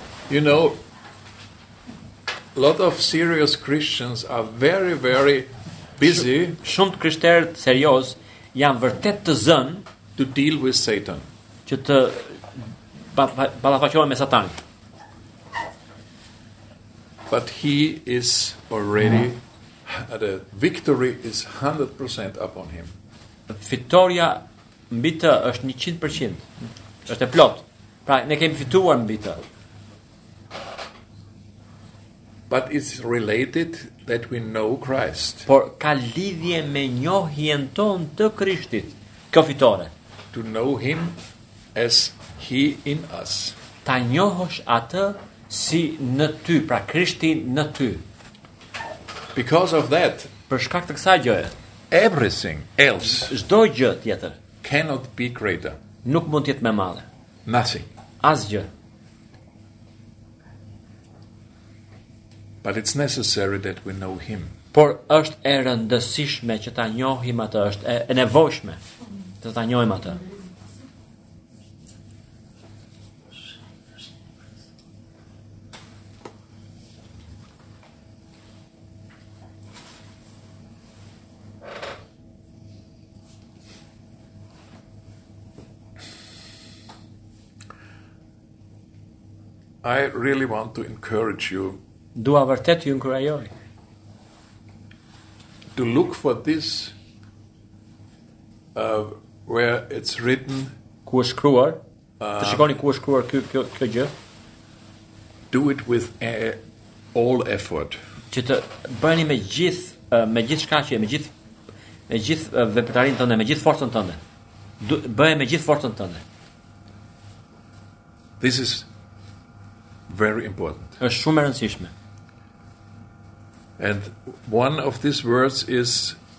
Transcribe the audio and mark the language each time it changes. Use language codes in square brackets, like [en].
[en] You know, a lot of serious Christians are very, very busy. [sq] Shumë krishterë serioz janë vërtet të zënë [en] to deal with Satan. [sq] Që të ballafaqohen me Satan. [en] But he is already the victory is 100% upon him. [sq] Fitoria mbi të është 100%. Është e plot. Pra ne kemi fituar mbi të. [en] But it's related that we know Christ. [sq] Por ka lidhje me njohjen tonë të Krishtit. Kjo fitore. [en] To know him as he in us. [sq] Ta njohësh atë si në ty, pra Krishti në ty. [en] Because of that, [sq] për shkak të kësaj gjëje, [en] everything else, [sq] çdo gjë tjetër, [en] cannot be greater. [sq] Nuk mund të jetë më e madhe. [en] Nothing. [sq] Asgjë. [en] But it's necessary that we know him. [sq] Por është e rëndësishme që ta njohim atë, është e nevojshme të ta njohim atë. [en] I really want to encourage you. [sq] Dua vërtet ju inkurajoj. [en] To look for this where it's written, [sq] ku është shkruar? Të shikoni ku është shkruar kjo gjë. [en] Do it with all effort. [sq] Që të bëni me gjithë shkaqje, me gjithë veprimtarinë tënde, me gjithë forcën tënde. Bëje me gjithë forcën tënde. [en] This is very important. [sq] Është shumë e rëndësishme. [en] And one of these words is